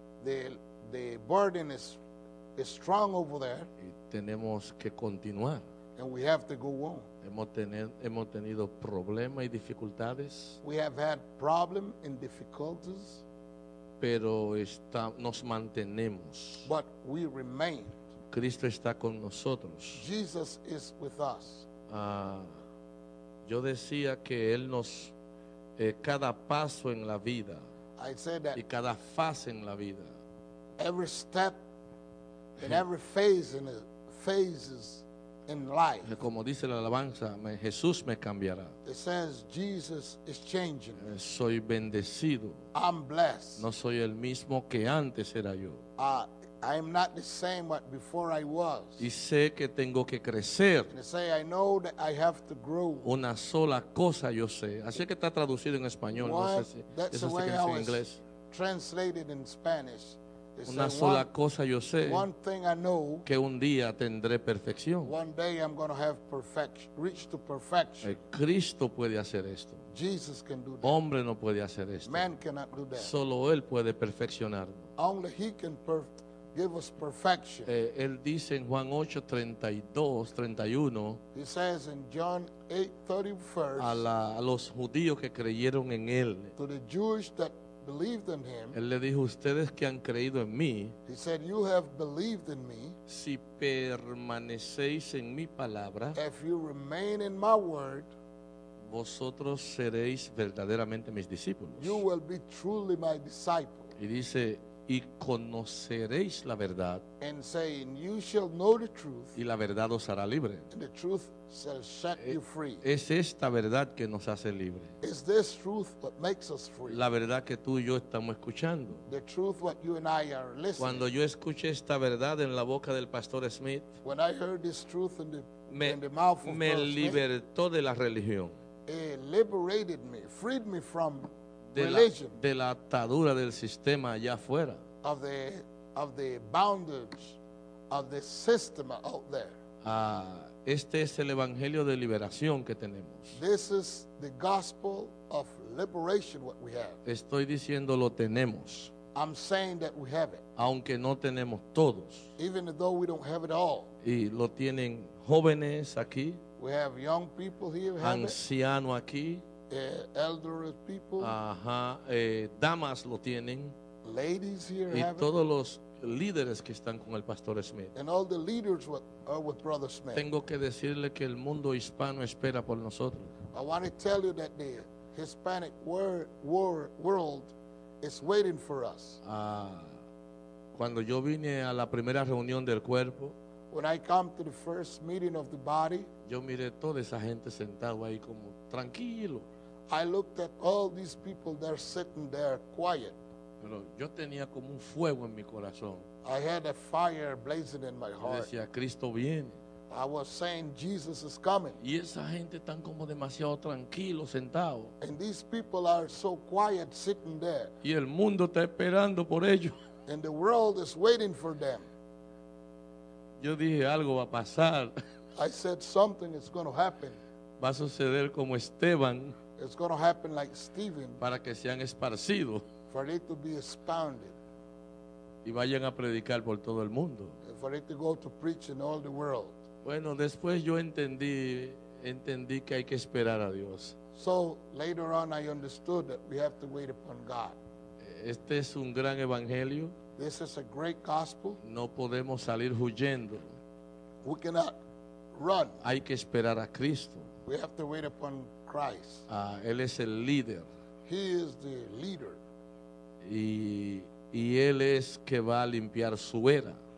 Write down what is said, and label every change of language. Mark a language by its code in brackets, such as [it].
[en] The burden is strong over there. [es] Y tenemos que continuar. [en] And we have to go on. [es] Hemos tenido problemas y dificultades. [en] We have had problem and difficulties. [es] Pero está, nos mantenemos. [en] But we remain. [es] Cristo está con nosotros. [en] Jesus is with us. [es] Yo decía que Él nos, cada paso en la vida. [en] I said that. [es] Y cada fase en la vida. [en] Every step and every phase in the phases in life. [es] Como dice la alabanza, Jesús me cambiará. [en] It says Jesus is changing. [es] Soy bendecido. [en] I'm blessed. [es] No soy el mismo que antes era yo. [en] I am not the same what before I was. [es] Y sé que tengo que crecer. [en] And say I know that I have to grow. [es] Una sola cosa yo sé. Así que está traducido en español. [en] What? [es] No sé si [en] that's the way [es] en inglés. [en] Translated in Spanish. [es] Una sola cosa yo sé. [en] One thing I know, [es] que un día tendré perfección. [en] One day I'm going to have perfection, reach to perfection. [es] Cristo puede hacer esto. [en] Jesus can do that. [es] Hombre no puede hacer esto. [en] Man cannot do that. [es] Solo Él puede perfeccionarlo. [en] Only He can give us perfection. [es] Él dice en Juan 8:32-31. [en] He says in John 8:31. [es] A los judíos que creyeron en Él. [en] To the Jewish that believed in him. [es] Él le dijo, ustedes que han creído en mí. [en] He said, you have believed in me. [es] Si permanecéis en mi palabra. [en] If you remain in my word. [es] Vosotros seréis verdaderamente mis discípulos. [en] You will be truly my disciple. [es] Y dice, y conoceréis la verdad. [en] And saying, you shall know the truth. [es] Y la verdad os hará libre. [en] And the truth shall set you free. [es] Es esta verdad que nos hace libre. [en] Is this truth what makes us free? [es] La verdad que tú y yo estamos escuchando. [en] The truth what you and I are listening. [es] Cuando yo escuché esta verdad en la boca del pastor Smith, [en] when I heard this truth in the mouth of Pastor [es] Smith, me libertó de la religión. [en] It liberated me, freed me from [es] De la atadura del sistema allá afuera. [en] Of the boundaries of the system out there. [es] Este es el evangelio de liberación que tenemos. [en] This is the gospel of liberation what we have. [es] Estoy diciendo lo tenemos. [en] I'm saying that we have it. [es] Aunque no tenemos todos. [en] Even though we don't have it all. [es] Y lo tienen jóvenes aquí. [en] We have young people here. [es] Anciano [en] have it. [es] Aquí. [en] Elder people. [es] Ajá. Damas lo tienen. [en] Ladies here. [es] Y todos los líderes que están con el pastor Smith. [en] And all the leaders what are with Brother Smith. [es] Tengo que decirle que el mundo hispano espera por nosotros. [en] I want to tell you that the Hispanic world is waiting for us. [es] Cuando yo vine a la primera reunión del cuerpo. [en] When I come to the first meeting of the body. [es] Yo miré toda esa gente sentado ahí como tranquilo. [en] I looked at all these people there sitting there quiet. [es] Pero yo tenía como un fuego en mi corazón. [en] I had a fire blazing in my heart. [es] Decía, Cristo viene. [en] I was saying Jesus is coming. [es] Y esa gente están como demasiado tranquilo sentado. [en] And these people are so quiet sitting there. [es] Y el mundo está esperando por ellos. [en] And the world is waiting for them. [es] Yo dije, algo va a pasar. [en] I said something is going to happen. [es] Va a suceder como Esteban. [en] It's going to happen like Stephen. [es] Para que sean esparcido. [en] For it to be expounded. [es] Y vayan a predicar por todo el mundo. [en] And for it to go to preach in all the world. [es] Bueno, después yo entendí que hay que esperar a Dios. [en] So later on I understood that we have to wait upon God. [es] Este es un gran evangelio. [en] This is a great gospel. [es] No podemos salir huyendo. [en] We cannot run. [es] Hay que esperar a Cristo. [en] We have to wait upon Christ. [es] Él es el líder. [en] He is the leader. [es] Y él es que va a limpiar su era.